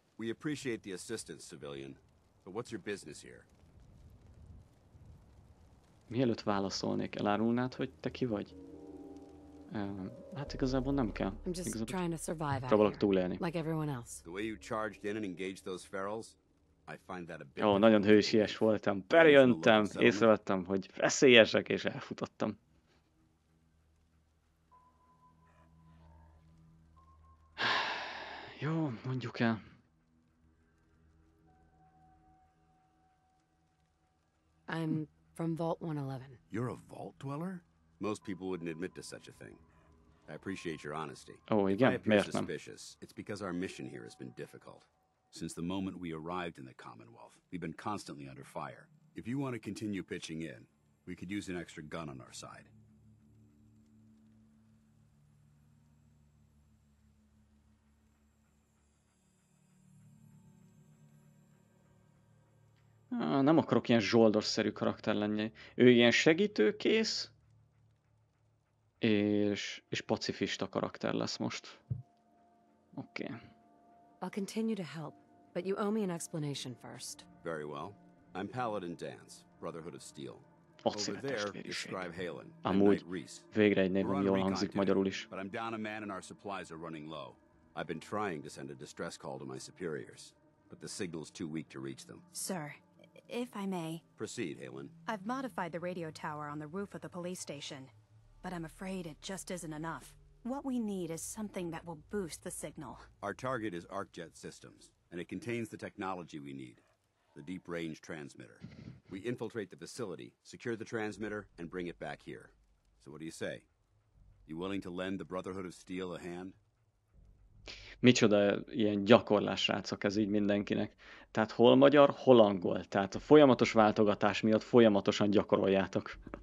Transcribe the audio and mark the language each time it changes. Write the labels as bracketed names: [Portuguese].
[English] We appreciate the assistance, civilian. But what's your business here? [Hungarian] Mielőtt válaszolnék, elárulnád, hogy te ki vagy? Hát igazából nem kell. [English] I'm just [Hungarian] igazából [English] trying to survive out here. [Hungarian] Túlélni. [English] Like everyone else. The way you charged in and engaged those ferals, I find that a bit... [Hungarian] Ó, nagyon hősies voltam. Beröntem, észrevettem, hogy veszélyesek, és elfutottam. Jó, mondjuk el. [English] I'm from Vault 111. You're a vault dweller? Most people wouldn't admit to such a thing. I appreciate your honesty. Oh, again, if I appear suspicious, it's because our mission here has been difficult. Since the moment we arrived in the Commonwealth, we've been constantly under fire. If you want to continue pitching in, we could use an extra gun on our side. [Hungarian] Nem akarok ilyen zsoldos-szerű karakter lenni. Ő ilyen segítőkész, és pacifista karakter lesz most. Oké. [English] I'll continue to help, but you owe me an explanation first. Very well. I'm Paladin Dance, Brotherhood of Steel. Over there, describe Halen. [Hungarian] Amúgy végre egy névem jól hangzik magyarul is. [English] But I'm down a man and our supplies are running low. I've been trying to send a distress call to my superiors, but the signal's too weak to reach them. Sir. If I may. Proceed, Halen. I've modified the radio tower on the roof of the police station, but I'm afraid it just isn't enough. What we need is something that will boost the signal. Our target is ArcJet Systems, and it contains the technology we need, the deep range transmitter. We infiltrate the facility, secure the transmitter, and bring it back here. So what do you say? You willing to lend the Brotherhood of Steel a hand? [Hungarian] Micsoda ilyen gyakorlásrácok ez így mindenkinek. Tehát hol magyar, hol angol. Tehát a folyamatos váltogatás miatt folyamatosan gyakoroljátok.